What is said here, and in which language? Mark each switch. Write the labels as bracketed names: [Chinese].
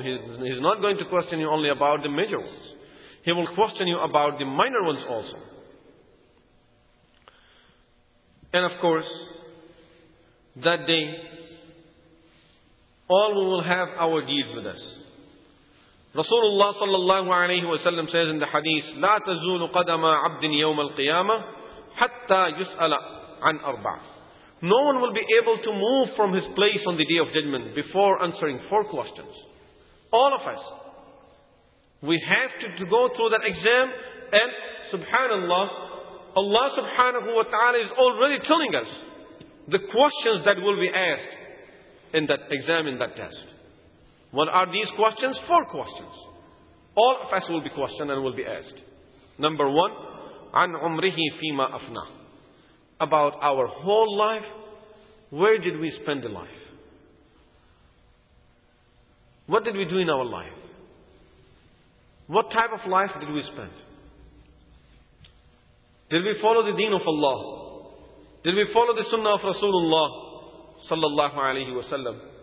[English] He's not going to question you only about the major ones. He will question you about the minor ones also. And of course, that day, all we will have our deeds with us. Rasulullah sallallahu alayhi wa sallam says in the hadith, [Arabic] لا تزول قدم عبد يوم القيامة حتى يسأل عن أربع. [English] No one will be able to move from his place on the day of judgment before answering four questions. All of us, we have to go through that exam, and subhanallah, Allah subhanahu wa ta'ala is already telling us the questions that will be asked in that exam, in that test. What are these questions? Four questions. All of us will be questioned and will be asked. Number one, [Arabic] عَنْ عُمْرِهِ فِيمَا أَفْنَى. [English] About our whole life, where did we spend the life? What did we do in our life? What type of life did we spend? Did we follow the deen of Allah? Did we follow the sunnah of Rasulullah sallallahu alayhi wa sallam?